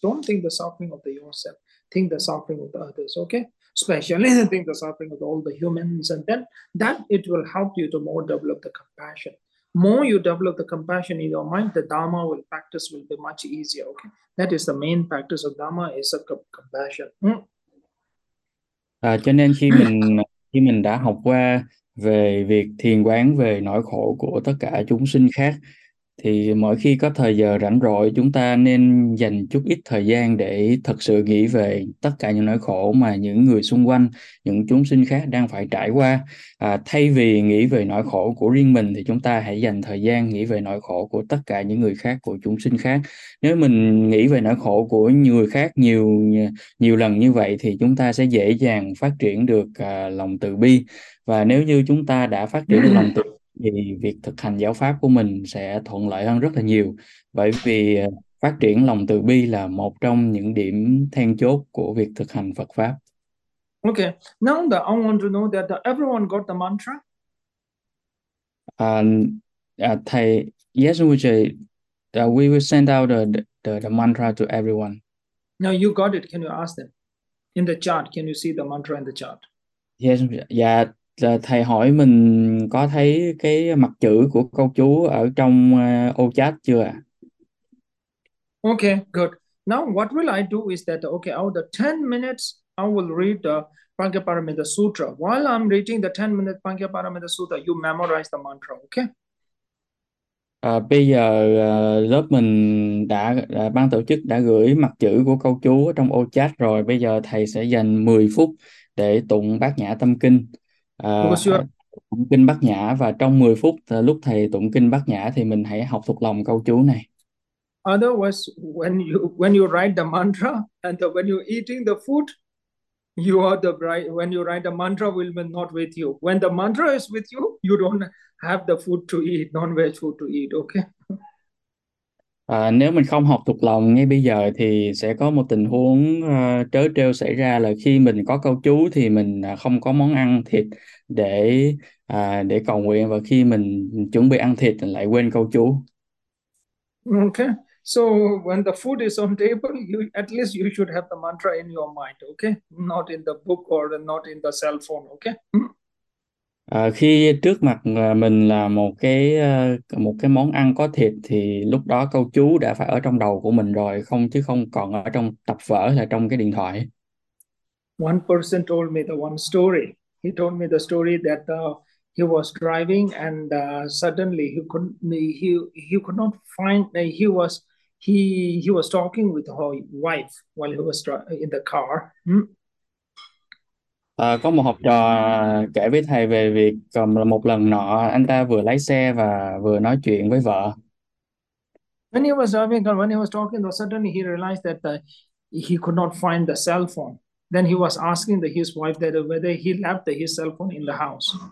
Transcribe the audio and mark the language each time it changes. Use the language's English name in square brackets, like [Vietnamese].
[English] Don't think the suffering of the yourself, think the suffering of the others, okay. Especially think the suffering of all the humans, and then that it will help you to more develop the compassion. More you develop the compassion in your mind, the Dharma will practice will be much easier. Okay, that is the main practice of Dharma is a compassion. [Vietnamese] Cho nên khi mình đã học qua về việc thiền quán về nỗi khổ của tất cả chúng sinh khác thì mỗi khi có thời giờ rảnh rỗi chúng ta nên dành chút ít thời gian để thật sự nghĩ về tất cả những nỗi khổ mà những người xung quanh những chúng sinh khác đang phải trải qua. Thay vì nghĩ về nỗi khổ của riêng mình thì chúng ta hãy dành thời gian nghĩ về nỗi khổ của tất cả những người khác, của chúng sinh khác. Nếu mình nghĩ về nỗi khổ của người khác nhiều nhiều lần như vậy thì chúng ta sẽ dễ dàng phát triển được lòng từ bi, và nếu như chúng ta đã phát triển được lòng từ thì việc thực hành giáo pháp của mình sẽ thuận lợi hơn rất là nhiều, bởi vì phát triển lòng từ bi là một trong những điểm then chốt của việc thực hành Phật pháp. [English] Okay, now that I want to know that everyone got the mantra. Thầy, we will send out the mantra to everyone. Now you got it. Can you ask them in the chat? Can you see the mantra in the chat? [Vietnamese] Thầy hỏi mình có thấy cái mặt chữ của câu chú ở trong ô chat chưa ạ? [English] Okay, good. Now what will I do is that okay, out of the 10 minutes I will read the Pancaparamita Sutra. While I'm reading the 10 minute Pancaparamita Sutra, you memorize the mantra, okay? [Vietnamese] Bây giờ lớp mình đã ban tổ chức đã gửi mặt chữ của câu chú ở trong ô chat rồi. Bây giờ thầy sẽ dành 10 phút để tụng Bát Nhã Tâm Kinh. [English] Because [Vietnamese] Tụng kinh Bát Nhã, và trong 10 phút lúc thầy tụng kinh Bát Nhã thì mình hãy học thuộc lòng câu chú này. [English] otherwise, when you write the mantra and the, when you're eating the food, you are the bride. When you write the mantra, will be not with you. When the mantra is with you, you don't have the food to eat, non-veg food to eat. Okay. [Vietnamese] Nếu mình không học thuộc lòng ngay bây giờ thì sẽ có một tình huống trớ trêu xảy ra là khi mình có câu chú thì mình không có món ăn thịt để cầu nguyện, và khi mình chuẩn bị ăn thịt lại quên câu chú. [English] Okay, so when the food is on table, you at least you should have the mantra in your mind, okay? Not in the book or not in the cell phone, okay? [Vietnamese] Khi trước mặt mình là một cái món ăn có thịt thì lúc đó câu chú đã phải ở trong đầu của mình rồi, không chứ không còn ở trong tập vở hay là trong cái điện thoại. [English] One person told me the one story. He told me the story that he was driving and suddenly he couldn't he could not find he was he was talking with her wife while he was in the car. [Vietnamese] Có một học trò kể với thầy về việc một lần nọ anh ta vừa lái xe và vừa nói chuyện với vợ. [English] When he was driving, when he was talking, though, suddenly he realized that he could not find the cell phone. Then he was asking his wife that whether he left his cell phone in the house.